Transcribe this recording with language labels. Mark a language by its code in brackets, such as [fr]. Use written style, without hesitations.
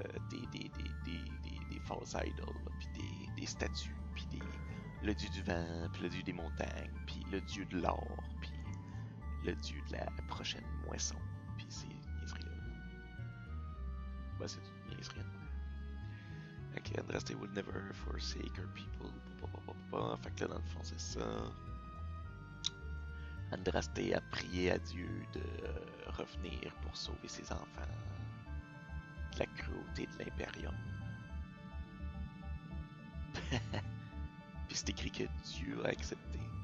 [fr] Ils [en] worship [fr] des [en] false idols, [fr] puis des statues, puis le dieu du vent, puis le dieu des montagnes, puis le dieu de l'or, puis le dieu de la prochaine moisson, puis ces niaiseries-là. Bah, c'est une niaiserie. [en] Ok, Andraste, they would never forsake her people. [fr] Fait que là, dans le fond, c'est ça. Andraste a prié à Dieu de revenir pour sauver ses enfants de la cruauté de l'Imperium. Puis c'est écrit que Dieu a accepté.